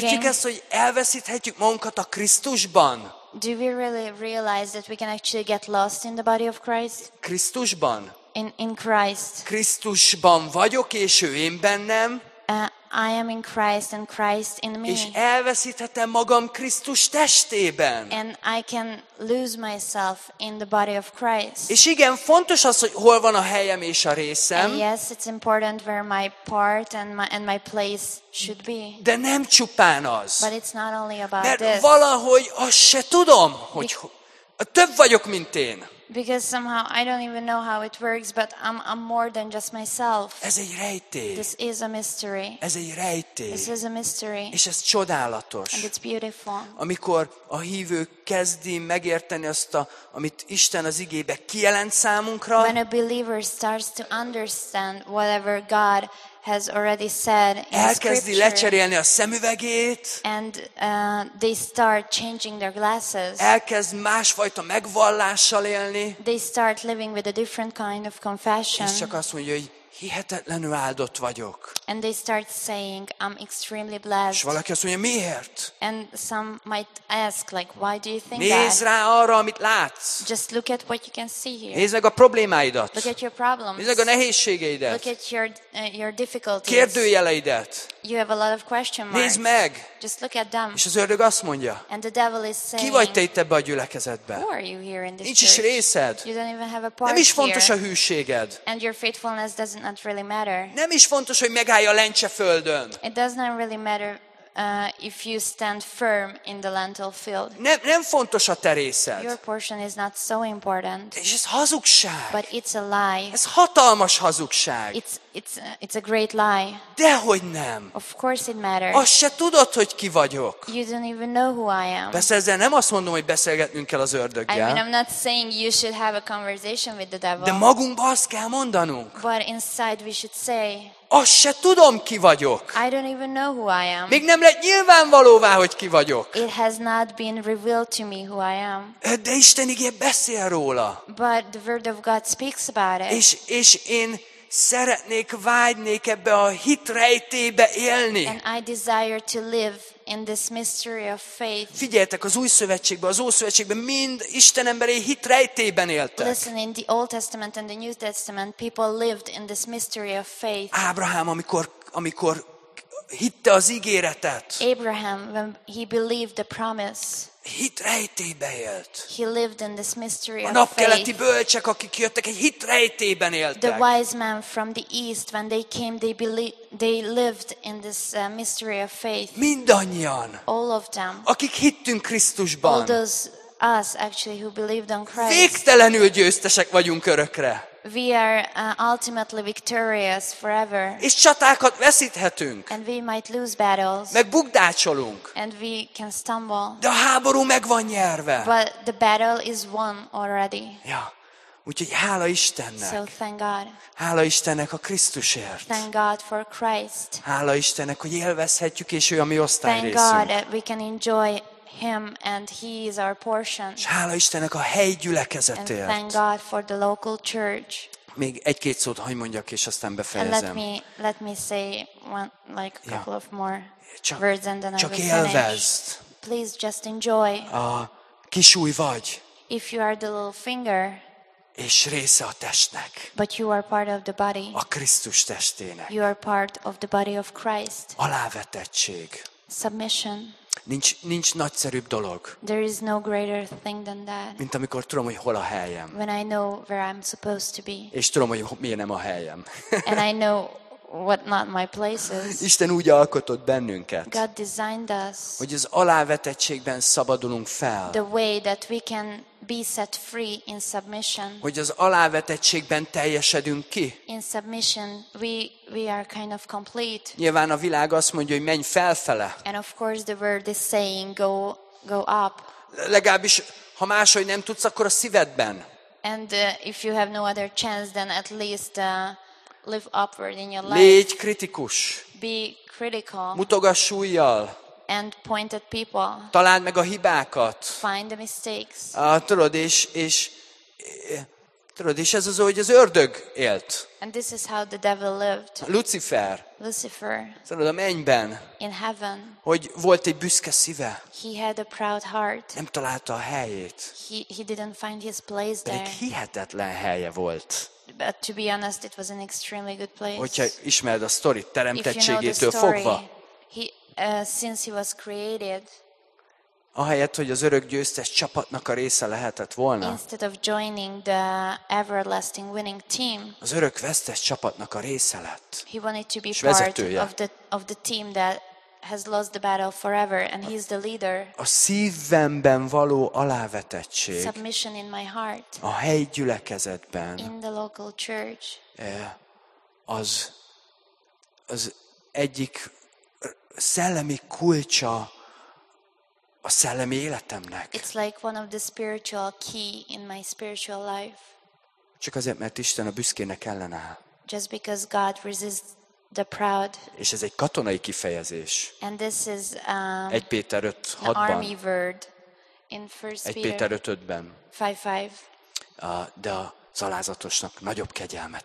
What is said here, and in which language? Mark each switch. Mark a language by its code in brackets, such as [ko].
[hu] Értjük ezt, hogy elveszíthetjük magunkat a Krisztusban? [en] Do we really realize that we can actually get lost in the body of Christ? [hu] Krisztusban. [en] In Christ. [hu] Krisztusban vagyok és ő én bennem. [en] I am in Christ and Christ in me. [hu] És elveszíthetem magam Krisztus testében. [en] And I can lose myself in the body of Christ. [hu] És igen, fontos az, hogy hol van a helyem és a részem. [en] And yes, it's important where my part and my place should be. [hu] De nem csupán az. [en] But it's not only about [hu] mert [en] this. [hu] Mert valahogy azt se tudom, hogy több vagyok, mint én. [en] Because somehow I don't even know how it works, but I'm more than just myself. [hu] Ez egy rejtély. [en] This is a mystery. [hu] Ez egy rejtély. [en] This is a mystery. [hu] És ez csodálatos. [en] And it's beautiful. [hu] Amikor a hívő kezdi megérteni azt, amit Isten az igébe kijelent számunkra. [en] When a believer starts to understand whatever God has already said in scripture. [hu] Elkezdi lecserélni a szemüvegét. [en] And they start changing their glasses. [hu] Elkezd másfajta megvallással élni. [en] They start living with a different kind of confession. [hu] És csak azt mondja, hogy hihetetlenül áldott vagyok. [en] And they start saying, I'm extremely blessed. [hu] És valaki azt mondja, miért? [en] And some might ask, like, why do you think [hu] nézd [en] that? [hu] Nézd rá arra, amit látsz. [en] Just look at what you can see here. [hu] Nézd meg a problémáidat. [en] Look at your problems. [hu] Nézd meg a nehézségeidet. [en] Look at your difficulties. [hu] Kérdőjeleidet. [en] You have a lot of question marks. [hu] Nézd meg. [en] Just look at them. [hu] És az ördög azt mondja. [en] And the devil is saying, [hu] ki vagy te itt ebbe a gyülekezetbe? [en] Who are you here in this [hu] nincs is részed. [en] You don't even have a part [hu] nem is fontos [en] here. [hu] A hűséged. [en] And your faithfulness doesn't not really matter. [hu] Nem is fontos, hogy megállj a lencse földön. [en] It does not really matter if you stand firm in the lentil field. [hu] Nem fontos a te részed. [en] Your portion is not so important. [hu] És ez hazugság. [en] But it's a lie. [hu] Ez hatalmas hazugság. [en] It's a great lie. [hu] Dehogy nem. [en] Of course it matters. [hu] Azt se tudod, hogy ki vagyok. [en] You don't even know who I am. [hu] Persze ezzel nem azt mondom, hogy beszélgetnünk kell az ördöggel. [en] I mean, I'm not saying you should have a conversation with the devil. [hu] De magunkba azt kell mondanunk. [en] But inside we should say, [hu] azt se tudom, ki vagyok. [en] I don't even know who I am. [hu] Még nem lett nyilvánvalóvá, hogy ki vagyok. [en] It has not been revealed to me who I am. [hu] De Isten igéje beszél róla. [en] But the word of God speaks about it. [hu] És én szeretnék, vágynék ebbe a hitrejtébe élni. [en] And I desire to live in this mystery of faith. [hu] Figyeltek az Új Szövetségben, az Ószövetségben mind Isten emberei hitrejtében éltek. [en] Listen, in the Old Testament and the New Testament, people lived in this mystery of faith. [hu] Ábrahám, amikor hitte az ígéretet. [en] Abraham, when he believed the promise. [hu] Hitrejtében élt. [en] He lived in this mystery of faith. [hu] A napkeleti bölcsek, akik jöttek, egy hitrejtében éltek. [en] The wise men from the east, when they came, they lived in this mystery of faith. [hu] Mindannyian. [en] All of them. [hu] Akik hittünk Krisztusban. [en] All those us actually who believed on Christ. [hu] Végtelenül győztesek vagyunk örökre. [en] We are ultimately victorious forever. [hu] És csatákat veszíthetünk. [en] And we might lose battles. [hu] Meg bukdácsolunk. [en] And we can stumble. [hu] De a háború meg van nyerve. [en] But the battle is won already. [hu] Ja. Úgyhogy hála Istennek. [en] So thank God. [hu] Hála Istennek a Krisztusért. [en] Thank God for Christ. [hu] Hála Istennek, hogy élvezhetjük, és ő a mi osztály részünk. [en] Thank God that we can enjoy him and he is our portion. [hu] S hála Istennek a helyi gyülekezetért. [en] And thank God for the local church. [hu] Még egy-két szót hagy mondjak, és aztán befejezem. [en] Let me say one, like a couple of more words and then [hu] csak [en] I will [hu] élvezd. [en] Finish. Please just enjoy. [hu] A kis új vagy. [en] If you are the little finger. [hu] És része a testnek. [en] But you are part of the body. [hu] A Krisztus testének. [en] You are part of the body of Christ. [hu] Alávetettség. [en] Submission. [hu] Nincs nagyszerűbb dolog. [en] There is no greater thing than that. [hu] Mint amikor tudom, hogy hol a helyem. [en] When I know where I'm supposed to be. [hu] És tudom, hogy mi nem a helyem. [en] And I know what not my place is. [hu] Isten úgy alkotott bennünket. [en] God designed us. [hu] Hogy az alávetettségben szabadulunk fel. [en] The way that we can be set free in submission. [hu] Hogy az alávetettségben teljesedünk ki. [en] In submission we are kind of complete. [hu] Nyilván a világ azt mondja, hogy menj felfele. [en] And of course the world is saying go up. [hu] Legalábbis ha máshogy nem tudsz, akkor a szívedben. [en] And if you have no other chance, then at least live upward in your life. [hu] Légy kritikus. [en] Be critical. [hu] Mutogass ujjal. [en] And point at people. [hu] Találd meg a hibákat. [en] Find the mistakes. [hu] Tudod, és ez az, hogy az ördög élt. [en] And this is how the devil lived. [hu] Lucifer. Tudod, a mennyben. [en] In heaven. [hu] Hogy volt egy büszke szíve. [en] He had a proud heart. [hu] Nem találta a helyét. [en] He didn't find his place there. [hu] Pedig hihetetlen helye volt. [en] But to be honest, it was an extremely good place. [hu] Hogyha ismered a sztorit, teremtettségétől fogva. [en] Since he was created. [hu] Ahelyett, hogy az örök győztes csapatnak a része lehetett volna. [en] Instead of joining the everlasting winning team. [hu] Az örök vesztes csapatnak a része lett. [en] He wanted to be part of the team that has lost the battle forever and he's the leader. [hu] A szívemben való alávetettség. [en] Submission in my heart. [hu] A helyi gyülekezetben. [en] In the local church. [hu] Az egyik szellemi kulcsa a szellemi életemnek. [en] It's like one of the spiritual key in my spiritual life. [hu] Csak azért, mert Isten a büszkének ellenáll. [en] Just because God resists the proud. [hu] És ez egy katonai kifejezés. [en] And this is [hu] 1 Péter 5:6-ban. [en] Army word in 1 Peter. [hu] 1 Péter 5:5-ben. [en] 5:5. [hu] De az alázatosnak nagyobb kegyelmet